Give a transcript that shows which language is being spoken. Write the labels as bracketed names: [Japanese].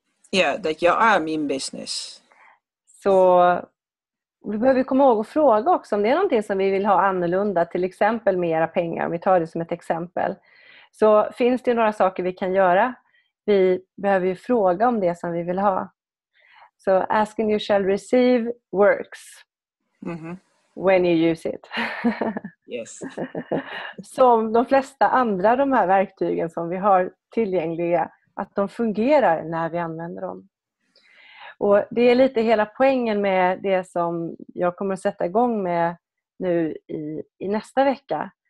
[Swedish] Ja, att jag är min business. Så vi behöver komma ihåg och fråga också om det är någonting som vi vill ha annorlunda, till exempel mera pengar, om vi tar det som ett exempel. Så finns det några saker vi kan göra? Vi behöver ju fråga om det som vi vill ha. [English] Så asking you shall receive works. Mm-hmm. When you use it. Yes. [Swedish] Som de flesta andra de här verktygen som vi har tillgängliga. Att de fungerar när vi använder dem. Och det är lite hela poängen med det som jag kommer att sätta igång med nu i nästa vecka.